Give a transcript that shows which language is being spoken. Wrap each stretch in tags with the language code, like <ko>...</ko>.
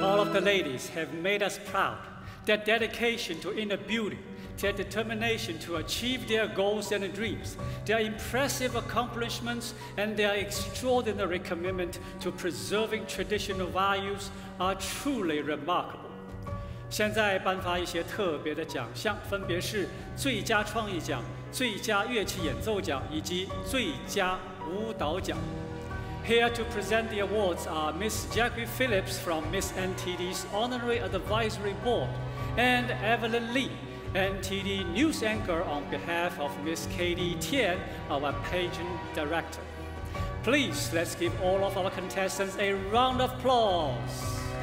<en>All of the ladies have made us proud. Their dedication to inner beauty, their determination to achieve their goals and dreams, their impressive accomplishments, and their extraordinary commitment to preserving traditional values are truly remarkable.</en> <zh>现在颁发一些特别的奖项，分别是最佳创意奖、最佳乐器演奏奖以及最佳舞蹈奖。</zh> <en>Here to present the awards are Miss Jackie Phillips from Miss NTD's Honorary Advisory Board and Evelyn Lee, NTD News Anchor on behalf of Miss Katie Tian, our Pageant Director. Please, let's give all of our contestants a round of applause.</en>